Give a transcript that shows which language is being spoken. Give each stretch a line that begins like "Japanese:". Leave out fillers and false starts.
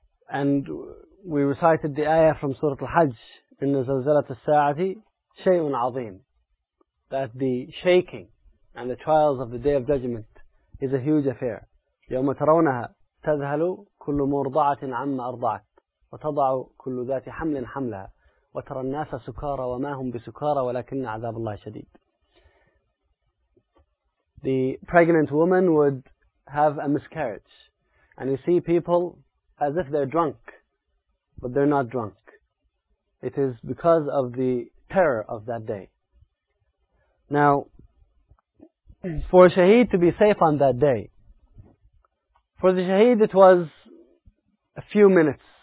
English: And we recited the ayah from Surah Al-Hajj, إِنَّ زَلْزَلَةَ السَّاعَةِ شَيْءٌ عَظِيمٌ. That the shaking and the trials of the Day of Judgment is a huge affair.
Arabic: يَوْمَ تَرَوْنَهَا تَذْهَلُ كُلُّ مُرْضَعَةٍ عَمَّ أَرْضَعَتْ وتضع كل ذات حمل حملها وترى الناس سكارى وما هم بسكارى ولكن عذاب الله شديد.
English: The pregnant woman would have a miscarriage, and you see people as if they're drunk, but they're not drunk. It is because of the terror of that day. Now, for a shaheed to be safe on that day, for the shaheed it was a few minutes.